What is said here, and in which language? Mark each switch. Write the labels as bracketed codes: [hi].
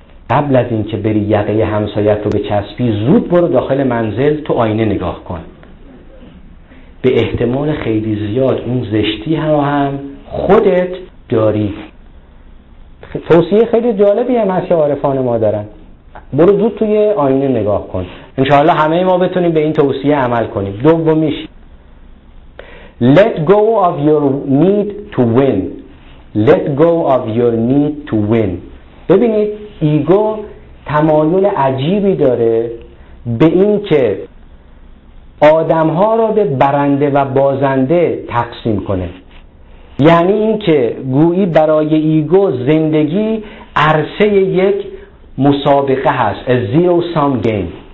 [fa] قبل از این که بری یقه همسایت رو به چسبی، زود برو داخل منزل تو آینه نگاه کن، به احتمال خیلی زیاد اون زشتی رو هم خودت داری. توصیه خیلی جالبی هم هست که عارفان ما دارن، برو زود توی آینه نگاه کن، انشاءالله همه ما بتونیم به این توصیه عمل کنیم. دومیش، [en] Let go of your need to win. Let go of your need to win. [fa] ببینید ایگو تمایل عجیبی داره به این که آدمها رو به برنده و بازنده تقسیم کنه. یعنی این که گویی برای ایگو زندگی عرصه یک مسابقه هست، [en] a zero sum game.